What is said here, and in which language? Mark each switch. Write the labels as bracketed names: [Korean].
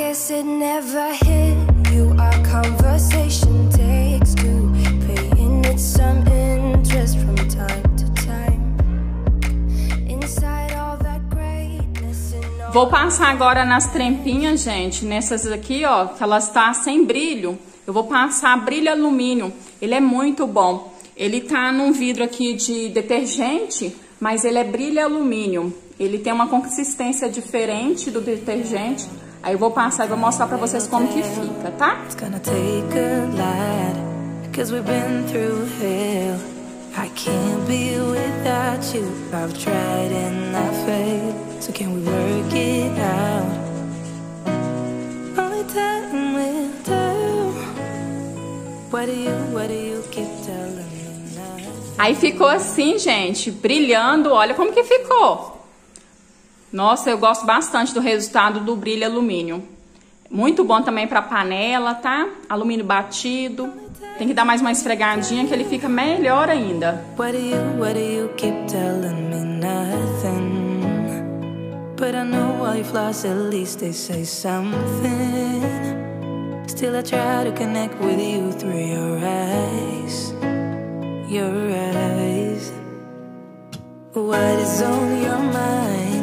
[English] It never hit you. Our conversation takes two, paying it some interest from time to time. Inside all that greatness. [Portuguese] Vou passar agora nas trempinhas, gente. Nessas aqui, ó, que elas tá sem brilho. Eu vou passar brilho alumínio. Ele é muito bom. Ele tá num vidro aqui de detergente, mas ele é brilho alumínio. Ele tem uma consistência diferente do detergente. Aí eu vou passar e vou mostrar pra vocês como que fica, tá? [English] It's gonna take a lot, cause we've been through hell. I can't be without you, I've tried and I failed. So can we work it out? Only time will tell. What do you keep telling me now? [Portuguese] Aí ficou assim, gente, brilhando, olha como que ficou. Nossa, eu gosto bastante do resultado do brilho alumínio. Muito bom também pra panela, tá? Alumínio batido. Tem que dar mais uma esfregadinha que ele fica melhor ainda. [English] What do you keep telling me nothing? But I know all your flaws, at least they say something. Still I try to connect with you through your eyes. Your eyes. What is on your mind?